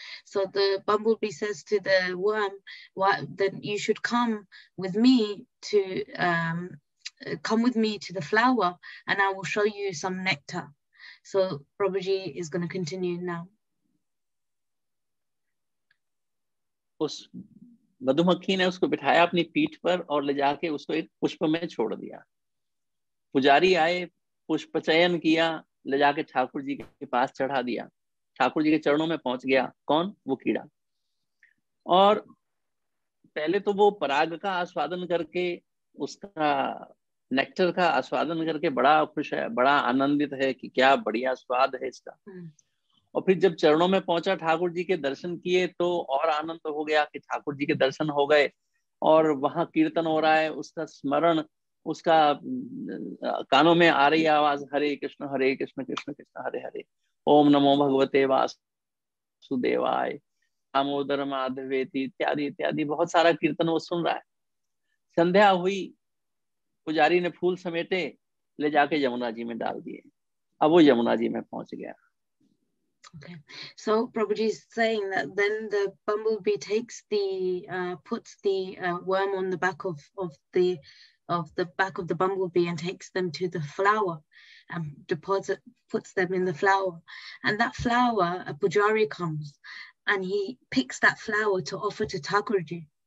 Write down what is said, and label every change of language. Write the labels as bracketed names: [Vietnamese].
[English] So the bumblebee says to the worm, "Well, then you should come with me to to the flower, and I will show you some nectar." So Prabhuji is going to continue now. [Hindi] उस मधुमक्खी ने उसको बिठाया अपनी पीठ पर और ले जाके उसको एक पुष्प में छोड़ दिया। पुजारी आए, पुष्प चयन किया, ले जाके ठाकुर जी के पास चढ़ा दिया। ठाकुर जी के चरणों में पहुंच गया कौन, वो कीड़ा। और पहले तो वो पराग का आस्वादन करके, उसका नेक्टर का आस्वादन करके बड़ा खुश है, बड़ा आनंदित है कि क्या बढ़िया स्वाद है इसका। और फिर जब चरणों में पहुंचा, ठाकुर जी के दर्शन किए, तो और आनंद हो गया कि ठाकुर जी के दर्शन हो गए और वहां कीर्तन हो रहा है, उसका स्मरण, उसका कानों में आ रही आवाज, हरे कृष्ण कृष्ण कृष्ण हरे हरे, ओम नमो भगवते वासुदेवाय, दामोदर माधवेति, इत्यादि इत्यादि बहुत सारा कीर्तन वो सुन रहा है। संध्या हुई, पुजारी ने फूल समेटे, ले जाके यमुना जी में डाल दिए। अब वो यमुना जी में पहुंच गया। [English] So Prabhuji is saying that then the bumblebee takes the puts the worm on the back of the back of the bumblebee and takes them to the flower and puts them in the flower. And that flower, a pujari comes and he picks that flower to offer to Thakurji.